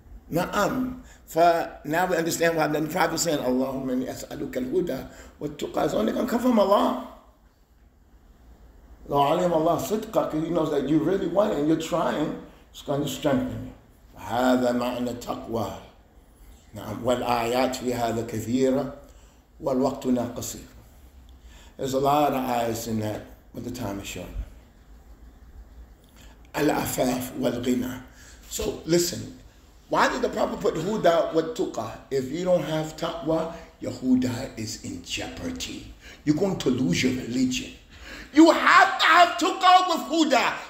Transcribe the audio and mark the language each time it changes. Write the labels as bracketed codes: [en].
[en] Na'am. For now we understand why the prophet is saying, [ar] Allahumma as'aluka al-huda wa tuqa, [en] is only going to come from Allah. [ar] Law alim Allah sidqaka, [en] he knows that you really want it and you're trying, it's going to strengthen you. [ar] هذا معنى التقوى. نعم والآيات في هذا كثيرة والوقت قصير. [en] There's a lot of ayahs in that, but the time is short. [ar] العفاف والغنى. [en] So listen, why did the Prophet put huda with tuqa? If you don't have taqwa, your huda is in jeopardy. You're going to lose your religion. You have to have tuqa with huda.